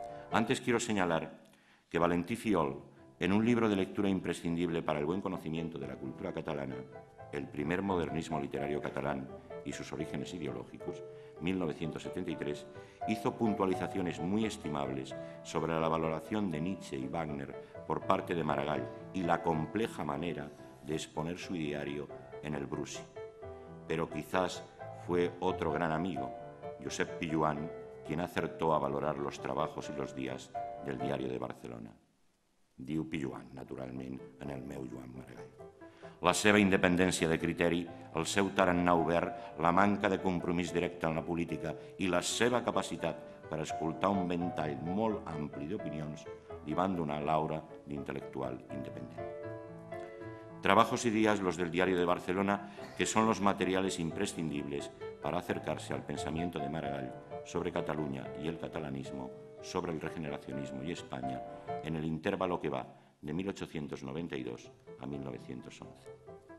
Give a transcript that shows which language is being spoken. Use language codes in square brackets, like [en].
[es] Antes quiero señalar que Valentí Fiol, en un libro de lectura imprescindible para el buen conocimiento de la cultura catalana, El primer modernismo literario catalán y sus orígenes ideológicos, 1973, hizo puntualizaciones muy estimables sobre la valoración de Nietzsche y Wagner por parte de Maragall y la compleja manera de exponer su ideario en el Brusi. Pero quizás fue otro gran amigo, Josep Pijuan, quien acertó a valorar los trabajos y los días del Diario de Barcelona. [ca] Diu Pijuan, naturalment, en el meu Joan Maragall. La seva independència de criteri, el seu tarannà obert, la manca de compromís directe en la política i la seva capacitat per escoltar un ventall molt ampli d'opinions li van donar l'aura d'intel·lectual independent. [es] Trabajos y días los del Diario de Barcelona, que son los materiales imprescindibles para acercarse al pensamiento de Maragall sobre Cataluña y el catalanismo, sobre el regeneracionismo y España, en el intervalo que va de 1892 a 1911.